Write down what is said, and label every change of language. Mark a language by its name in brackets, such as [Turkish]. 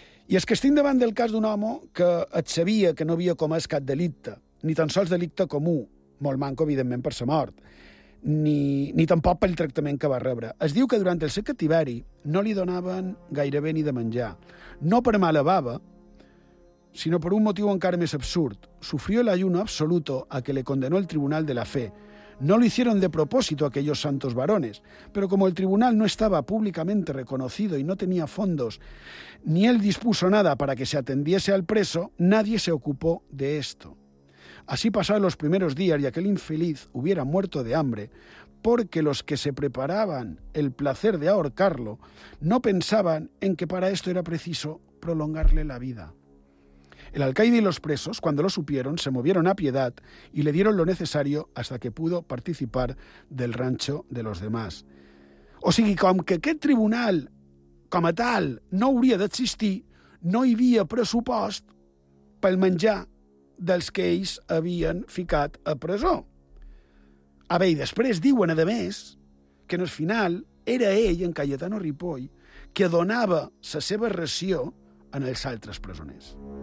[Catalan] I és que estic davant del cas d'un home que et sabia que no havia comès cap delicte, ni tan sols delicte comú, molt manco, evidentment, per sa mort, ni tampoc pel tractament que va rebre. Es diu que durant el seu cativeri no li donaven gairebé ni de menjar. No per mala bava, sinó per un motiu encara més absurd. [Spanish] Sufrió el ayuno absoluto a que le condenó el Tribunal de la Fe. No lo hicieron de propósito aquellos santos varones, pero como el tribunal no estaba públicamente reconocido y no tenía fondos, ni él dispuso nada para que se atendiese al preso, nadie se ocupó de esto. Así pasaron los primeros días y aquel infeliz hubiera muerto de hambre, porque los que se preparaban el placer de ahorcarlo no pensaban en que para esto era preciso prolongarle la vida. El alcaide y los presos, cuando lo supieron, se movieron a piedad y le dieron lo necesario hasta que pudo participar del rancho de los demás. [Catalan] O sigui, com que aquest tribunal, com a tal, no hauria d'existir, no hi havia pressupost pel menjar dels que ells havien ficat a presó. A veure, després diuen, a més, que en el final era ell, en Cayetano Ripoll, que donava la seva ració en els altres presoners.